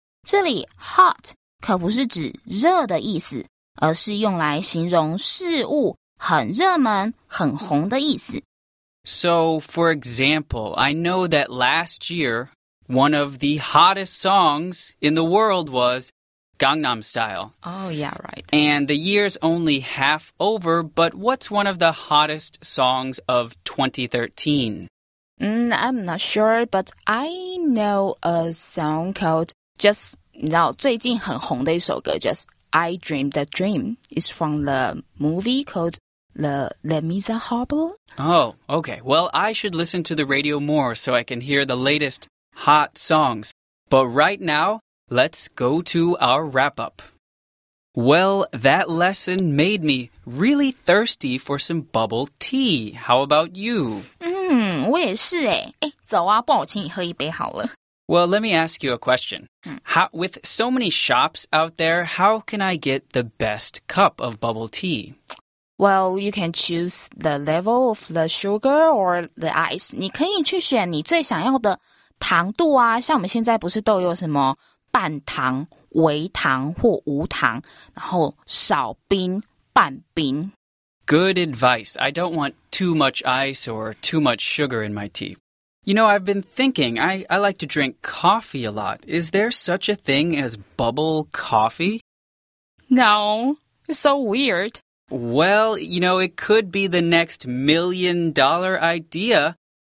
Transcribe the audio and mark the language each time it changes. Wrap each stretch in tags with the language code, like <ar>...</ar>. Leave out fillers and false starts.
<zh>这里 hot 可不是指热的意思，而是用来形容事物很热门、很红的意思。</zh> <en>So, for example, I know that last year, one of the hottest songs in the world was Gangnam Style. Oh, yeah, right. And the year's only half over, but what's one of the hottest songs of 2013? I'm not sure, but I know a song called Just...</en> <zh>你知道最近很红的一首歌</zh> <en>Just I Dreamed a Dream is from the movie called The Les Miserables. Oh, okay. Well, I should listen to the radio more so I can hear the latest hot songs. But right now, let's go to our wrap-up. Well, that lesson made me really thirsty for some bubble tea. How about you?</en> <zh>我也是耶。走啊，不然我请你喝一杯好了。</zh> <en>Well, let me ask you a question. With so many shops out there, how can I get the best cup of bubble tea? Well, you can choose the level of the sugar or the ice.</en> <zh>你可以去选你最想要的糖度啊，像我们现在不是都有什么半糖、微糖或无糖，然后少冰、半冰。</zh> <en>Good advice. I don't want too much ice or too much sugar in my tea. You know, I've been thinking, I like to drink coffee a lot. Is there such a thing as bubble coffee? No, it's so weird. Well, you know, it could be the next million-dollar idea.</en>